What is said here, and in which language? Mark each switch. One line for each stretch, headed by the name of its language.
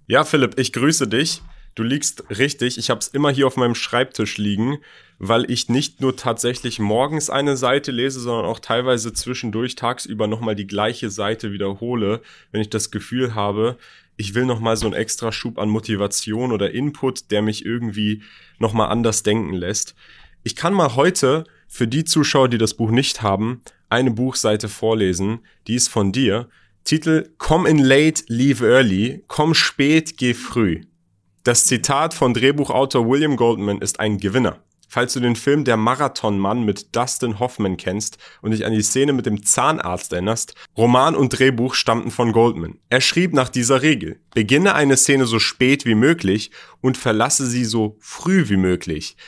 German: Ja, Philipp, ich grüße dich. Du liegst richtig. Ich habe es immer hier auf meinem Schreibtisch liegen, weil ich nicht nur tatsächlich morgens eine Seite lese, sondern auch teilweise zwischendurch tagsüber nochmal die gleiche Seite wiederhole, wenn ich das Gefühl habe, ich will nochmal so einen extra Schub an Motivation oder Input, der mich irgendwie nochmal anders denken lässt. Ich kann mal heute für die Zuschauer, die das Buch nicht haben, eine Buchseite vorlesen, die ist von dir.
English: Titel: Come in late, leave early.
German: Komm spät, geh früh. Das Zitat von Drehbuchautor William Goldman ist ein Gewinner. Falls du den Film Der Marathonmann mit Dustin Hoffman kennst und dich an die Szene mit dem Zahnarzt erinnerst, Roman und Drehbuch stammten von Goldman. Er schrieb nach dieser Regel: Beginne eine Szene so spät wie möglich und verlasse sie so früh wie möglich.